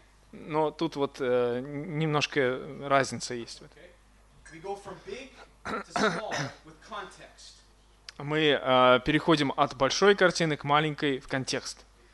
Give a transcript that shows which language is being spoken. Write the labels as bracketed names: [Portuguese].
[Russian] Но тут вот немножко разница есть. [English] We go from big to small with context. [Russian] Мы переходим от большой картины к маленькой в контекст.